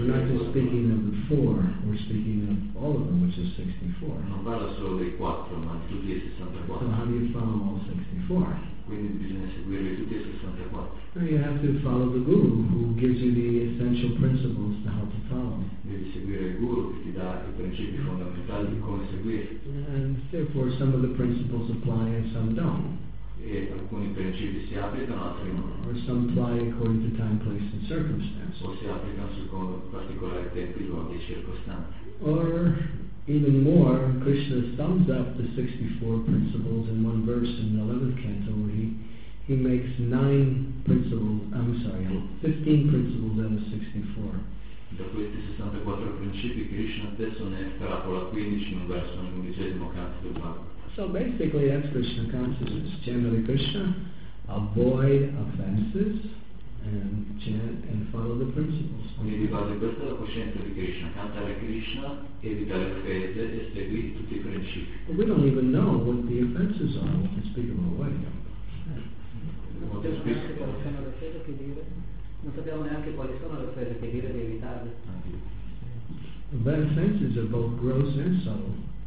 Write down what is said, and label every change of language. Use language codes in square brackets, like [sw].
[en] We're not just speaking of the four, we're speaking of all of them, which is 64. [it] Non parlo solo dei quattro, ma di tutti e 64. [en] So how do you follow all 64? [it] Quindi bisogna seguire tutti e 64. [en] Well, you have to follow the guru who gives you the essential principles to how to follow. [it] Devi seguire il guru che ti dà i principi fondamentali di come seguire. [en] And therefore some of the principles apply and some don't. [it] E alcuni principi si applicano, altri no. [en] Or some apply according to time, place and circumstance. [it] O si applicano secondo particolari tempi, luoghi e circostanze. [en] Or even more, Krishna sums up the 64 principles in one verse in the 11th canto where he makes 15 principles out of 64. [it] Da questi 64 principi Krishna stesso ne estrapola 15 in un verso nell'undicesimo canto del Bhagavad. [en] So basically that's Krishna consciousness. Chant Hare Krishna, avoid offenses, and chant and follow the principles. [it] Quindi di base questa è la coscienza di Krishna. Cantare Krishna, evitare offese e seguire tutti i principi. [en] But we don't even know what the offenses are when we speak about what [it] you non sappiamo neanche quali sono le offese che dire di evitarle. [en] The bad offenses are both gross and subtle.